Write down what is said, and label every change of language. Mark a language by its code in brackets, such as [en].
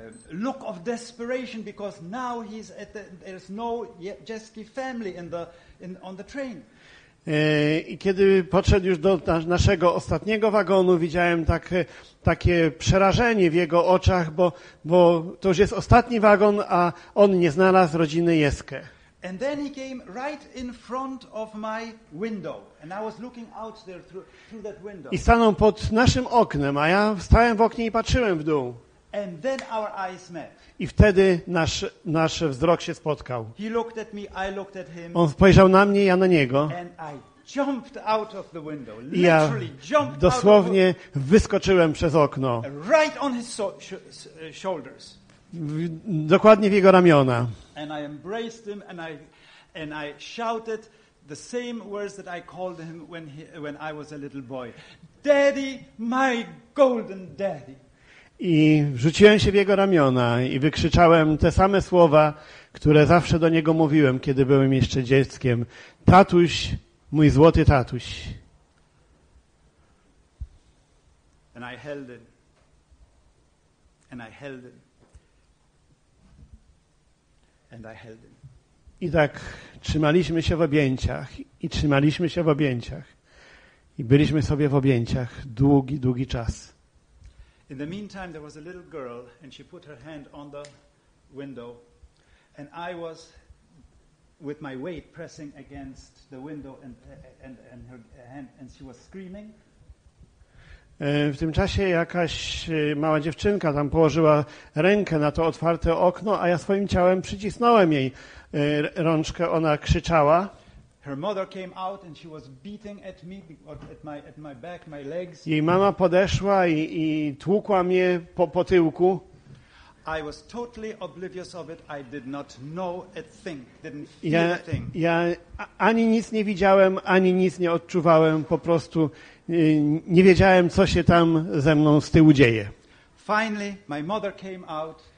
[en] Look of desperation because now he's at there's no Jeski family on the train. [pl] I kiedy podszedł już do naszego ostatniego wagonu, widziałem takie przerażenie w jego oczach, bo to już jest ostatni wagon, a on nie znalazł rodziny Jeske. [en] And then he came right in front of my window. And I was looking out there through that window. [pl] I stanął pod naszym oknem, a ja stałem w oknie i patrzyłem w dół. [en] And then our eyes met. [pl] I wtedy nasz wzrok się spotkał. [en] He looked at me, I looked at him. [pl] On spojrzał na mnie, ja na niego. [en] And I jumped out of the window. [pl] I ja dosłownie wyskoczyłem przez okno. [en] Right on his shoulders. [pl] Dokładnie w jego ramiona. [en] And I embraced him and I shouted the same words that I called him when I was a little boy. Daddy, my golden daddy. [pl] I rzuciłem się w jego ramiona i wykrzyczałem te same słowa, które zawsze do niego mówiłem, kiedy byłem jeszcze dzieckiem. Tatuś, mój złoty tatuś. [en] And I held it. And I held it. And I held it. [pl] I tak trzymaliśmy się w objęciach i trzymaliśmy się w objęciach. I byliśmy sobie w objęciach długi, długi czas. [en] In the meantime, there was a little girl, and she put her hand on the window, and I was with my weight pressing against the window, and her hand, and she was screaming. [pl] W tym czasie jakaś mała dziewczynka tam położyła rękę na to otwarte okno, a ja swoim ciałem przycisnąłem jej rączkę. Ona krzyczała. [en] Her mother came out and she was beating at me at my back, my legs. [pl] Jej mama podeszła i tłukła mnie po tyłku. [en] I was totally oblivious of it. I did not know a thing. Didn't feel a thing. [pl] Ja ani nic nie widziałem, ani nic nie odczuwałem. Po prostu nie wiedziałem, co się tam ze mną z tyłu dzieje. [en] Finally, my mother came out.